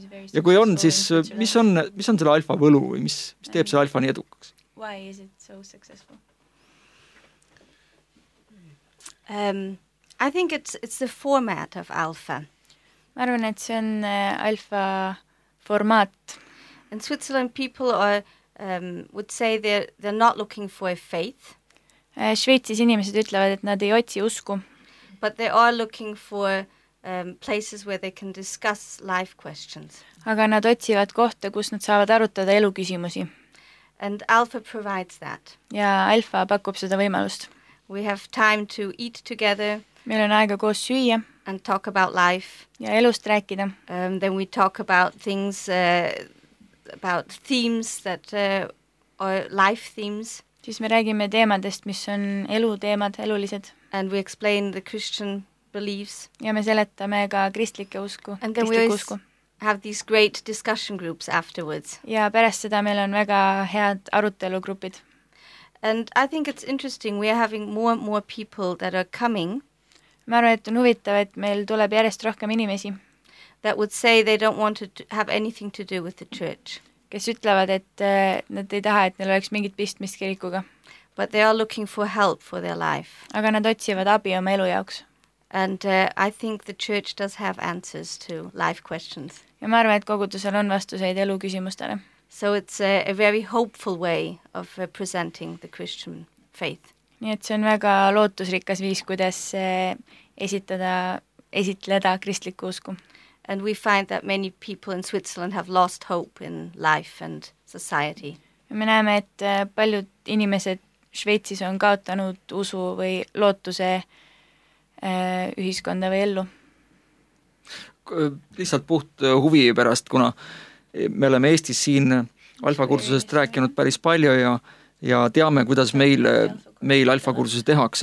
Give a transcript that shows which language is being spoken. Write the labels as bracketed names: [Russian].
[Estonian] Ja kui on, siis mis on selle Alfa võlu või mis teeb selle Alfa nii edukaks? [English] Why is it so successful? I think it's the format of Alfa. [Estonian] Ma arvan, et see on Alfa formaat. [English] In Switzerland people are would say they're not looking for a faith. [Estonian] Sveitsis inimesed ütlevad, et nad ei otsi usku. [English] But they are looking for places where they can discuss life questions. [Estonian] Aga nad otsivad kohta, kus nad saavad arutada eluküsimusi. [English] And Alpha provides that. [Estonian] Ja Alpha pakub seda võimalust. [English] We have time to eat together. [Estonian] Meil on aega koos süüa. [English] And talk about life. [Estonian] Ja elust rääkida. [English] Then we talk about things, about themes that are life themes. [Estonian] Siis me räägime teemadest, mis on eluteemad, elulised. [English] And we explain the Christian beliefs. [Estonian] Ja me seletame ka kristlike usku. [English] And then we always have these great discussion groups afterwards. [Estonian] Ja pärast seda meil on väga head arutelugrupid. [English] And I think it's interesting, we are having more and more people that are coming. [Estonian] Ma arvan, et on huvitav, et meil tuleb järjest rohkem inimesi. [English] That would say they don't want to have anything to do with the church. [Estonian] Kes ütlevad, et nad ei taha, et neil oleks mingit pistmist kirikuga. [English] But they are looking for help for their life. [Estonian] Aga nad otsivad abi oma elu jaoks. [English] And I think the church does have answers to life questions. [Estonian] Ja ma arvan, et kogudusel on vastuseid elu küsimustele. [English] So it's a very hopeful way of presenting the Christian faith. [Estonian] Nii et see on väga lootusrikas viis, kuidas esitleda kristliku usku. [English] And we find that many people in Switzerland have lost hope in life and society. [Estonian] Me näeme, et paljud inimesed Sveitsis on kaotanud usu või lootuse ühiskonda või ellu. Lihtsalt puht huvi pärast, kuna me oleme Eestis siin alfakursusest rääkinud päris palju ja teame, kuidas meil alfakursuse tehaks.